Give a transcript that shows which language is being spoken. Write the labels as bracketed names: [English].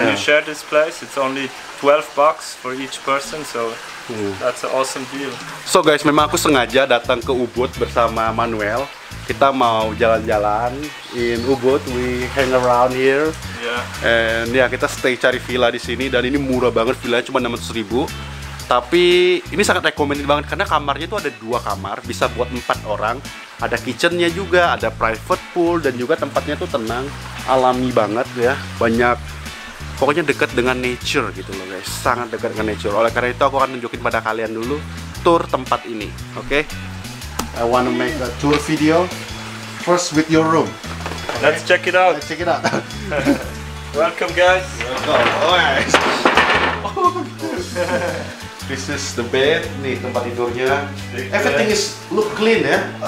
[English] And you share this place, it's only 12 bucks for each person, so that's an awesome deal. [Indonesian] So guys, memang aku sengaja datang ke Ubud bersama Manuel. Kita mau jalan-jalan [English] in Ubud, we hang around here. Yeah. And yeah, [Indonesian] kita stay cari villa di sini, dan ini murah banget, villanya cuma 600,000. Tapi ini sangat recommended banget, karena kamarnya tuh ada 2 kamar, bisa buat 4 orang. Ada kitchennya juga, ada private pool, dan juga tempatnya tuh tenang, alami banget ya, banyak. Pokoknya dekat dengan nature gitu loh, guys. Sangat dekat dengan nature. Oleh karena itu aku akan nunjukin pada kalian dulu tour tempat ini. [English] Oke. Okay? I wanna make a tour video first with your room. Okay. Let's check it out. Let's check it out. Welcome guys. Welcome. Oh, guys. This is the bed. [Indonesian] Nih tempat tidurnya. [English] Everything is look clean ya. Yeah?